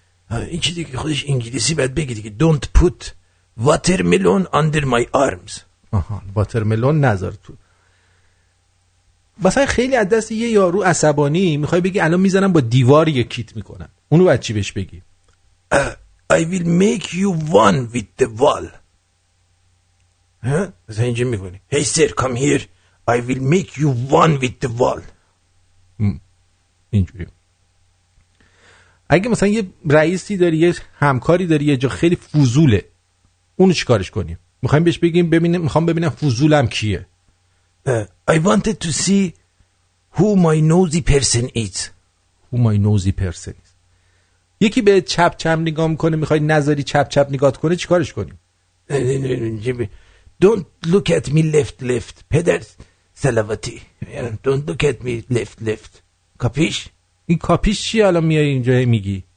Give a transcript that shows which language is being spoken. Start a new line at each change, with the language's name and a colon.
Persian: این چی دیگه خودش انگلیسی باید بگی دیگه.
English: Don't put watermelon under my arms.
Persian: آها watermelon نذار تو. مثلا خیلی از دست یه یارو عصبانی میخوای بگی الان میزنم با دیوار یکیت میکنم، اونو باید چی بهش بگی؟
English: I will make you one with the wall.
Persian: مثلا اینجا میکنی
English: Hey sir come here I will make you one with the wall.
Persian: اینجوری. اگه مثلا یه رئیسی داری، یه همکاری داری یه جا خیلی فضوله، اونو چی کارش کنیم؟ میخوایم بهش بگیم ببینم، میخوام ببینم فضولم کیه.
English: I wanted to see who my nosy person is. Who my nosy person is.
Persian: یکی به چپ چپ نگاه میکنه، میخوای نظری چپ چپ نگاه کنه، چیکارش کنیم؟
English: Don't look at me left left.
Persian: پدر سلواتی.
English: Don't look at me left left. کاپیش؟
Persian: این کاپیش چیه الان میای اینجا میگی؟